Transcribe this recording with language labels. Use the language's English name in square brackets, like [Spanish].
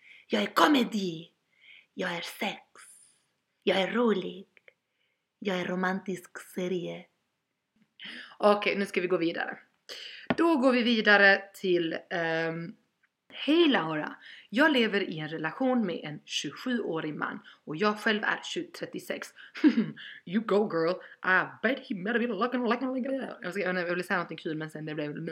[Swedish] Jag är komedi, jag är sex, jag är rolig, jag är romantisk serie. Okej, nu ska vi gå vidare. Då går vi vidare till, hej Laura, jag lever i en relation med en 27-årig man och jag själv är 36. [English] You go girl, I bet he better be looking like that. [Swedish] Jag vill säga något kul, men sen det blev...